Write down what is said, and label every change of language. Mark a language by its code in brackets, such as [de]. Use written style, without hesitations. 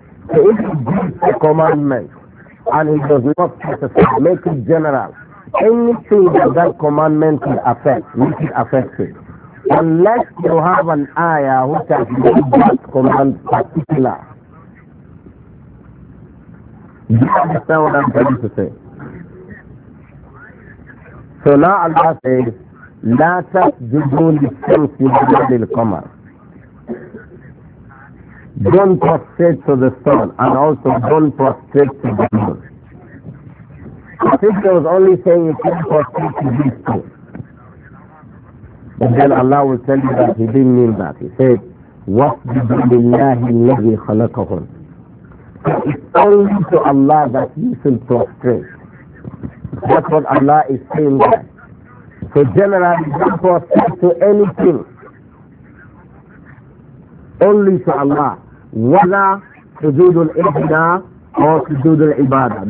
[en] So if he gives a commandment and he does not specify, make it general. Anything that commandment will affect, make it affected. Unless you have an ayah which has made that command particular. Do you understand what I'm trying to say? So now Allah says, [ar] لَا تَسْجُدُوا لِلشَّمْسِ وَلَا لِلْقَمَرِ. [en] Don't prostrate to the sun and also don't prostrate to the moon. I think he was only saying you can't prostrate to these two. But then Allah will tell you that he didn't mean that. He said, [ar] وَاسْجُدُوا لِلَّهِ الَّذِي خَلَقَهُمْ. [en] So it's only to Allah that you should prostrate. That's what Allah is saying there. So generally, don't prostrate to anything. Only to Allah. Wala sujood al-ibna or sujood al-ibadah.